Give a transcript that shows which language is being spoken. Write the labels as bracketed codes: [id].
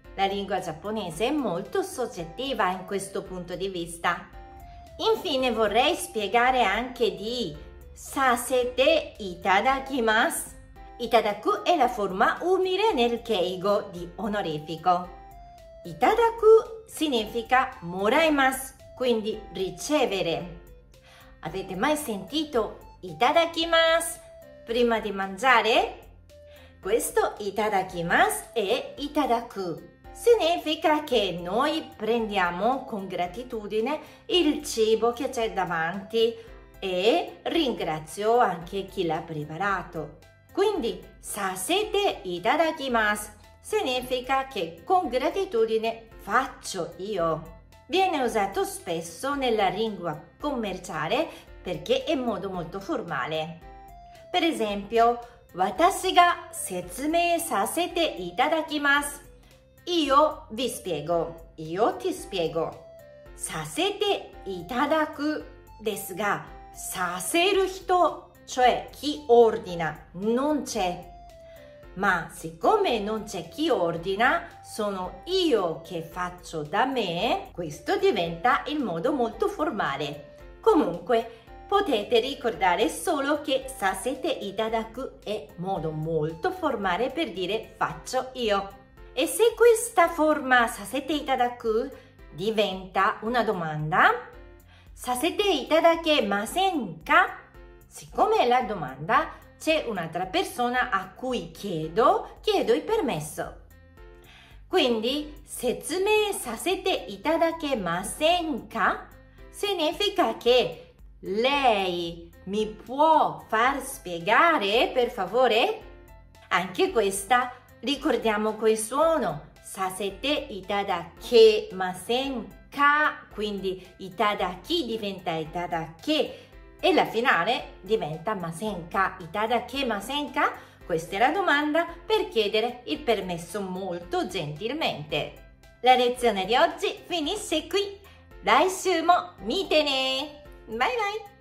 [it] La lingua giapponese è molto soggettiva in questo punto di vista. Infine vorrei spiegare anche di させていただきます。いただく è la forma umile nel keigo di onorifico. いただく significa もらいます, quindi ricevere. Avete mai sentito いただきます prima di mangiare? Questo いただきます è いただくSignifica che noi prendiamo con gratitudine il cibo che c'è davanti e ringrazio anche chi l'ha preparato. Quindi, させていただきます significa che con gratitudine faccio io. Viene usato spesso nella lingua commerciale perché è modo molto formale. Per esempio, [ja] 私が説明させていただきます [it] Io vi spiego, io ti spiego. [ja] させていただくですが、させる人、 [it] cioè chi ordina, non c'è. Ma siccome non c'è chi ordina, sono io che faccio da me, questo diventa il modo molto formale. Comunque, potete ricordare solo che させていただく è modo molto formale per dire faccio io. E se questa forma させていただく diventa una domanda? [ja] させていただけませんか? [it] Siccome è la domanda, c'è un'altra persona a cui chiedo il permesso. [ja] Quindi, 説明させていただけませんか? [it] Significa che lei mi può far spiegare, per favore? Anche questa. Ricordiamo quel suono, させていただけませんか? Quindi, いただき diventa いただけ e la finale diventa ませんか? [ja] いただけませんか? [it] Questa è la domanda per chiedere il permesso molto gentilmente. La lezione di oggi finisce qui. [ja] 来週も見てね! [en] Bye bye!